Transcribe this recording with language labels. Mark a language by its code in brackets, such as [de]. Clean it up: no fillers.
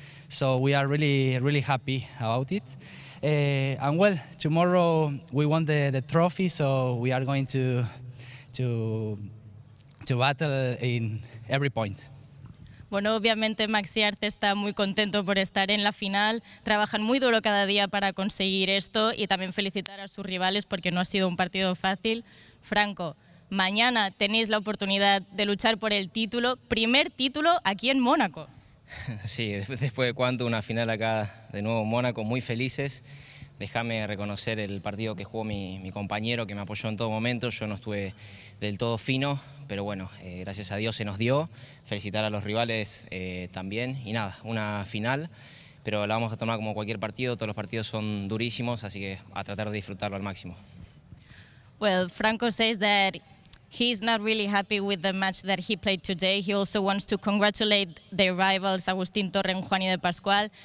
[en] So we are really, really happy about it. And well, tomorrow we won the trophy, so we are going to battle in every point. [es] Bueno, obviamente Maxi Arce está muy contento por estar en la final. Trabajan muy duro cada día para conseguir esto y también felicitar a sus rivales porque no ha sido un partido fácil. Franco, mañana tenéis la oportunidad de luchar por el título, primer título aquí en Mónaco. Sí, después de cuánto, una final acá de nuevo en Mónaco, muy felices. Déjame reconocer el partido que jugó mi compañero, que me apoyó en todo momento. Yo no estuve del todo fino, pero bueno, gracias a Dios se nos dio. Felicitar a los rivales también. Y nada, una final, pero la vamos a tomar como cualquier partido. Todos los partidos son durísimos, así que a tratar de disfrutarlo al máximo. [en] Well, Franco says that he's not really happy with the match that he played today. He also wants to congratulate their rivals, Agustín Torre and Juani de Pascual.